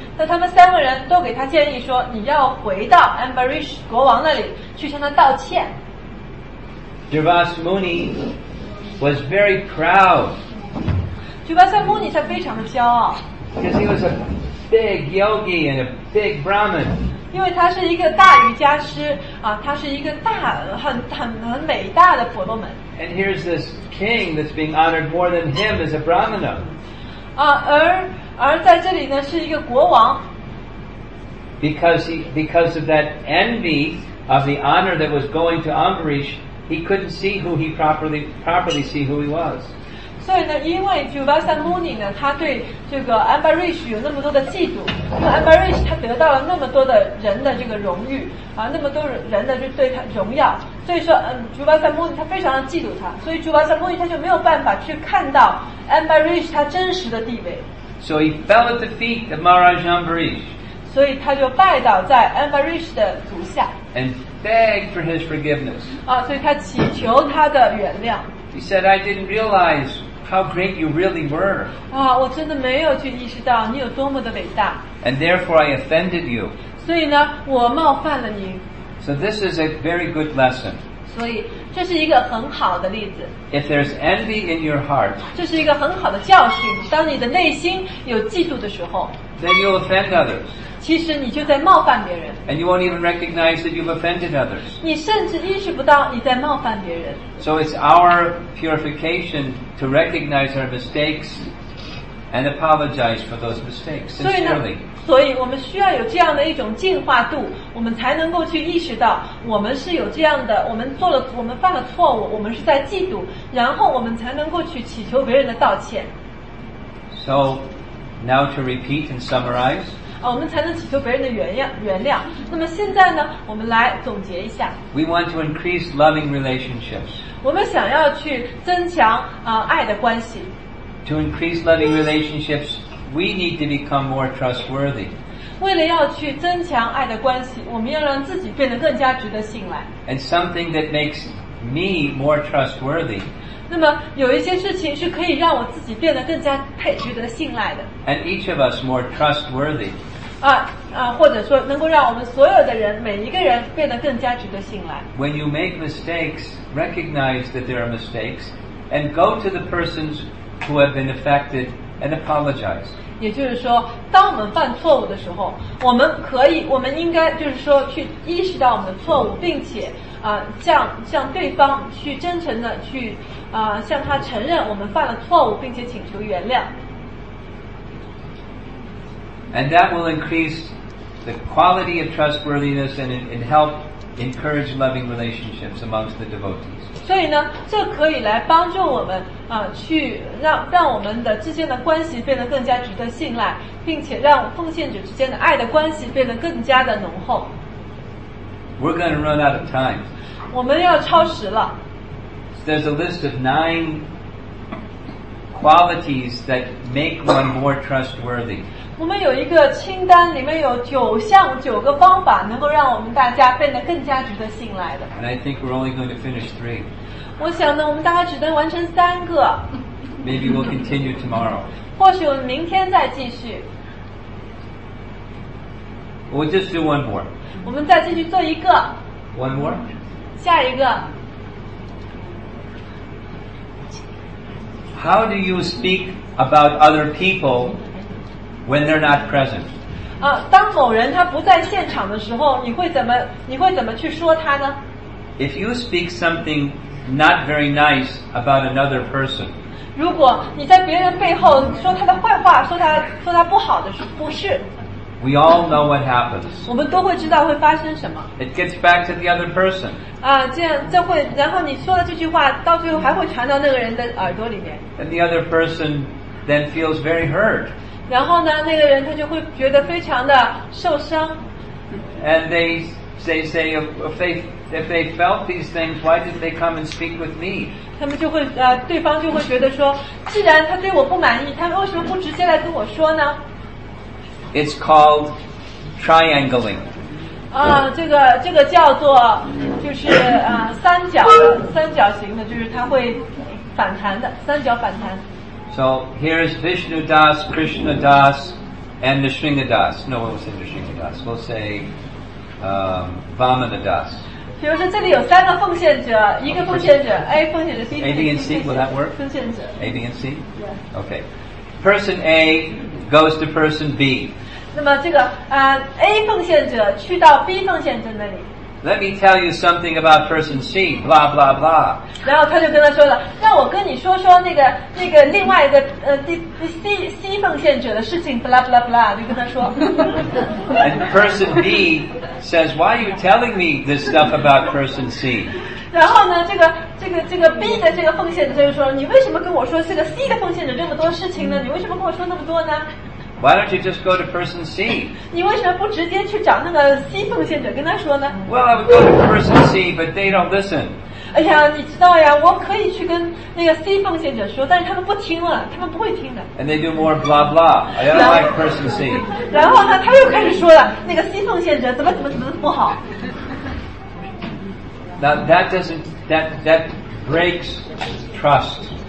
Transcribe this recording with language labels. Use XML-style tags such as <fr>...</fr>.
<zh>但他们三个人都给他建议说，你要回到 Ambarish 国王那里去向他道歉。</zh> <en>Durvasa Muni was very proud.</en> <zh>Durvasa Muni 他非常的骄傲</zh> <en>because he was a big yogi and a big Brahmin.</en> <zh>因为他是一个大瑜伽师啊，他是一个大很伟大的婆罗门。</zh> <en>And here's this king that's being honored more than him as a Brahmana.</en> <zh>啊，而在这里呢是一个国王。</zh> <en>Because of that envy of the honor that was going to Ambarish, he couldn't see who he properly see who he was.</en> <zh>所以呢，因为 Vaisa Muni 呢，他对这个 Ambarish 有那么多的嫉妒，因为 Ambarish 他得到了那么多的人的这个荣誉啊，那么多人的就对他荣耀，所以说Vaisa Muni 他非常的嫉妒他，所以 Vaisa Muni 他就没有办法去看到 Ambarish 他真实的地位。</zh> <en>So he fell at the feet of Maharaj Ambarish.</en> <zh>所以他就拜倒在 Ambarish 的足下。</zh> <en>And begged for his forgiveness.</en> <zh>啊，所以他祈求他的原谅。</zh> <en>He said, "I didn't realize how great you really were."</en> <zh>啊，我真的没有去意识到你有多么的伟大。</zh> <en>And therefore, I offended you.</en> <zh>所以呢，我冒犯了你。</zh> <en>So this is a very good lesson.</en> <zh>所以这是一个很好的例子。</zh> <en>If there's envy in your heart,</en> <zh>这是一个很好的教训。当你的内心有嫉妒的时候</zh> <en>，then you offend others.</en> <zh>其实你就在冒犯别人。</zh> <en>And you won't even recognize that you've offended others.</en> <zh>你甚至意识不到你在冒犯别人。</zh> <en>So it's our purification to recognize our mistakes and apologize for those mistakes sincerely.</en> <zh>所以我们需要有这样的一种净化度，我们才能够去意识到我们是有这样的，我们做了，我们犯了错误，我们是在嫉妒，然后我们才能够去祈求别人的道歉。</zh> <en>So, now to repeat and summarize.</en> <zh>啊，我们才能祈求别人的原谅。那么现在呢，我们来总结一下。</zh> <en>We want to increase loving relationships.</en> <zh>我们想要去增强爱的关系。</zh> <en>To increase loving relationships. We need to become more trustworthy.</en> <zh>为了要去增强爱的关系，我们要让自己变得更加值得信赖。</zh> <en>And something that makes me more trustworthy.</en> <zh>那么有一些事情是可以让我自己变得更加值得信赖的。</zh> <en>And each of us more trustworthy.</en> <zh>或者说能够让我们所有的人，每一个人变得更加值得信赖。</zh> <en>When you make mistakes, recognize that there are mistakes, and go to the persons who have been affected. And apologize.</en> <zh>也就是说，当我们犯错误的时候，我们可以，我们应该就是说，去意识到我们的错误，并且向对方去真诚的去向他承认我们犯了错误，并且请求原谅。</zh> <en>And that will increase the quality of trustworthiness and help encourage loving relationships amongst the devotees.</en> <zh>所以呢，这可以来帮助我们去让我们的之间的关系变得更加值得信赖，并且让奉献者之间的爱的关系变得更加的浓厚。</zh> <en>We're going to run out of time.</en> <zh>我们要超时了。</zh> <en>There's a list of 9 qualities that make one more trustworthy.</en> <zh>我们有一个清单，里面有九个方法，能够让我们大家变得更加值得信赖的。</zh> <en>And I think we're only going to finish 3.</en> <zh>我想呢，我们大概只能完成三个。</zh> <en>Maybe we'll continue tomorrow.</en> <zh>或许我们明天再继续。</zh> <en>We'll just do one more.</en> <zh>我们再继续做一个。</zh> <en>One more.</en> <zh>下一个。</zh> <en>How do you speak about other people? When they're not present.</en> <zh>当某人他不在现场的时候，你会怎么去说他呢？</zh> <en>If you speak something not very nice about another person.</en> <zh>如果你在别人背后说他的坏话，说他不好的不是。</zh> <en>We all know what happens.</en> <zh>我们都会知道会发生什么。</zh> <en>It gets back to the other person.</en> <zh>这会，然后你说的这句话到最后还会传到那个人的耳朵里面。</zh> <en>And the other person then feels very hurt.</en> <zh>然后呢，那个人他就会觉得非常的受伤。</zh> <en>And they say if they felt these things, why did they come and speak with me?</en> <zh>他们就会对方就会觉得说，既然他对我不满意，他们为什么不直接来跟我说呢</zh> <en>？It's called triangling.</en> <zh>这个叫做就是三角形的，就是他会反弹的三角反弹。</zh> <en>So here is Vishnu Das, Krishna Das, and Nisringa Das. No, we'll say Nisringa Das. We'll say Vamana Das.</en> <zh>比如说，这里有三个奉献者，一个奉献者 A, 奉献者 B,</zh> <en>A, B, and C. Will that work?</en> <zh>奉献者</zh> <en>A, B, and C. Yeah. Okay. Person A goes to person B.</en> <zh>那么这个A 奉献者去到 B 奉献者那里。</zh> <en>Let me tell you something about person C. Blah blah blah.</en> <zh>然后他就跟他说了，让我跟你说说那个另外一个C 奉献者的事情。 Blah blah blah. 就跟他说。</zh> <en>And person B says, "Why are you telling me this stuff about person C?"</en> <zh>然后呢，这个 B 的这个奉献者就说，你为什么跟我说这个 C 的奉献者这么多事情呢？你为什么跟我说那么多呢？</zh> <en>Why don't you just go to person C?</en> <zh>你为什么不直接去找那个 C 奉献者跟他说呢？</zh> <en>Well, I would go to person C, but they don't listen.</en> <zh>哎呀，你知道呀，我可以去跟那个 C 奉献者说，但是他们不听了，他们不会听的。</zh> <en>And they do more blah blah. I don't like person C.</en> <zh>然后呢，他又开始说了，那个 C 奉献者怎么不好。</zh> <en>Now that doesn't, that breaks trust.</en>